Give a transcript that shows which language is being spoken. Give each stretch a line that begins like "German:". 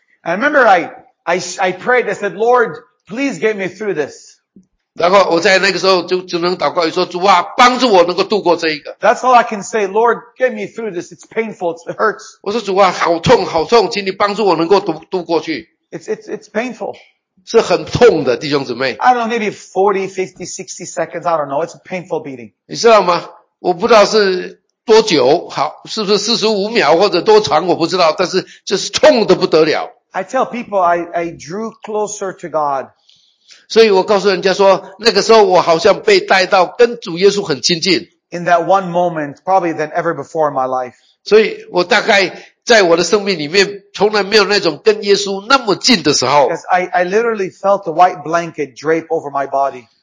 English: And I remember I prayed, I said, Lord, please get me through this.
Chinese: 然后我在那个时候就能祷告，说主啊，帮助我能够度过这一个。
English: That's all I can say, Lord, get me through this. It's painful. It hurts.
Chinese: 我说主啊，好痛，好痛，请你帮助我能够度过去。
English: It's painful.
Chinese: 是很痛的，弟兄姊妹。
English: I don't know, maybe 40, 50, 60 seconds. I don't know. It's a painful beating.
Chinese: 你知道吗？我不知道是多久，好，是不是45秒或者多长，我不知道，但是就是痛得不得了。
English: I tell people I drew closer to God.
Chinese: 所以我告诉人家说，那个时候我好像被带到跟主耶稣很亲近。
English: In that one moment, probably than ever before in my life.
Chinese: 所以我大概在我的生命里面从来没有那种跟耶稣那么近的时候。
English: Because I literally felt the white blanket drape over my body.